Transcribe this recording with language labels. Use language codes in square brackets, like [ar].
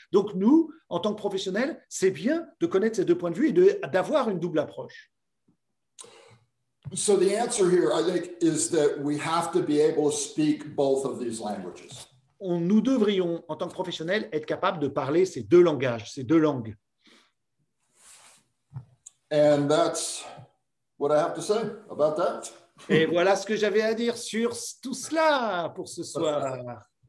[fr] Donc nous, en tant que professionnels, c'est bien de connaître ces deux points de vue et d'avoir une double approche. [en] So the answer here, I think, is that we have to be able to speak both of these languages. [fr] Nous devrions, en tant que professionnels, être capables de parler ces deux langages, ces deux langues. [en] And that's what I have to say about that. [fr] Et voilà ce que j'avais à dire sur tout cela pour ce soir.